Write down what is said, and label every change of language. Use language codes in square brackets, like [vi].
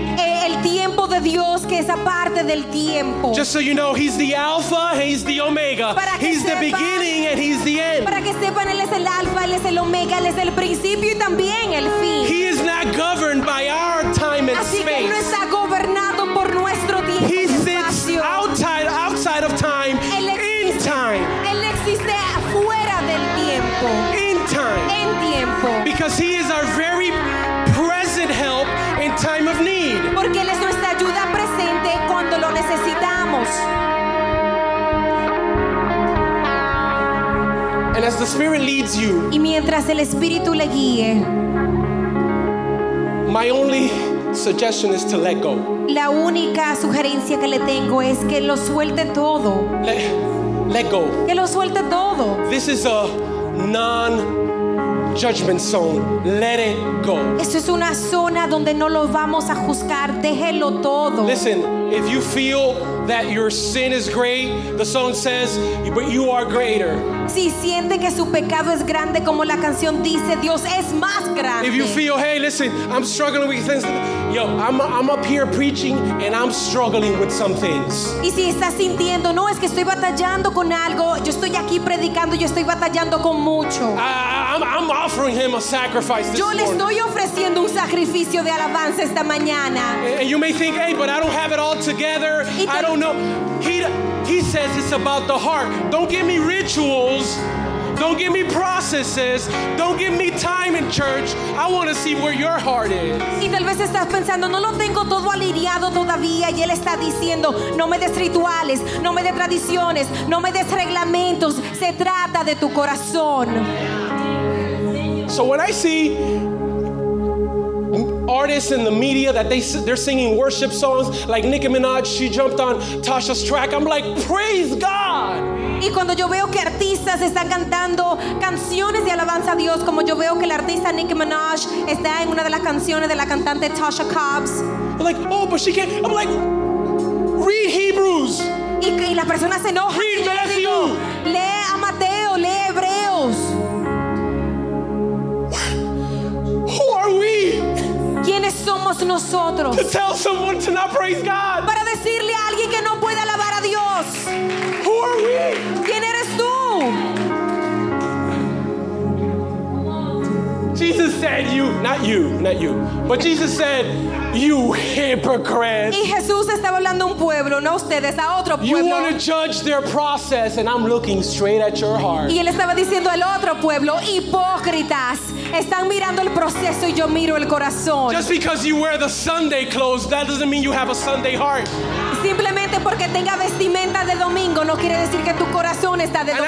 [es] El tiempo de Dios que es aparte del tiempo. [en] Just so you know, he's the Alpha, he's the Omega. He's the beginning and he's the end. [es] Para que sepan, él es el Alpha, él es el Omega, él es el principio y también el fin. [en] He is not governed by our time and space. [es] que no está gobernado por nuestro tiempo y espacio. [en] He sits outside of time, in time. [es] Él existe afuera del tiempo. [en] In time. [es] En tiempo. [en] Because he is our very present help in time of need. [es] Porque él es nuestra ayuda presente cuando lo necesitamos. [en] And as the Spirit leads you. [es] Y mientras el Espíritu le guíe. [en] My only suggestion is to let go. [es] La única sugerencia que le tengo es que lo suelte todo. [en] Let go. [es] Que lo suelte todo. [en] This is a non judgment zone. Let it go. [es] Eso es una zona donde no lo vamos a juzgar. Déjelo todo. [en] Listen, if you feel that your sin is great, the song says, but you are greater. [es] Si siente que su pecado es grande, como la canción dice, Dios es más grande. [en] If you feel, hey, listen, I'm struggling with things. Yo, I'm up here preaching and I'm struggling with some things. [es] Y si estás sintiendo, no, es que estoy batallando con algo. Yo estoy aquí predicando, yo estoy batallando con mucho. [en] I'm offering him a sacrifice this morning. [es] Yo le estoy ofreciendo un sacrificio de alabanza esta mañana. [en] And you may think, hey, but I don't have it all together. I don't know. He says it's about the heart. Don't give me rituals. Don't give me processes. Don't give me time in church. I want to see where your heart is. [es] Y tal vez estás pensando, no lo tengo todo alineado todavía. Y él está diciendo, no me des rituales, no me des tradiciones, no me des reglamentos. Se trata de tu corazón. [en] So when I see artists in the media that they're singing worship songs like Nicki Minaj, she jumped on Tasha's track, I'm like, praise God. [es] Y cuando yo veo que artistas están cantando canciones de alabanza a Dios, como yo veo que la artista Nicki Minaj está en una de las canciones de la cantante Tasha Cobbs, [en] I'm like, oh, but she can't. I'm like, read Hebrews. [es] Y la persona se enoja. [en] Read Matthew. [es] Lee a Mateo. Lee Hebreos. [en] Who are we? [es] ¿Quiénes somos nosotros? [en] To tell someone to not praise God. [es] Para decirle a alguien que no puede alabar a Dios. [en] Who are we? [es] ¿Quién eres tú? [en] Jesus said you, not you, but Jesus said you hypocrites. [es] Y Jesús estaba hablando a un pueblo, no a ustedes, a otro pueblo. [en] You want to judge their process and I'm looking straight at your heart. [es] Y él estaba diciendo al otro pueblo, hipócritas, están mirando el proceso y yo miro el corazón. [en] Just because you wear the Sunday clothes, that doesn't mean you have a Sunday heart. [es] Simplemente porque tenga vestimenta de domingo no quiere decir que tu corazón está de domingo también.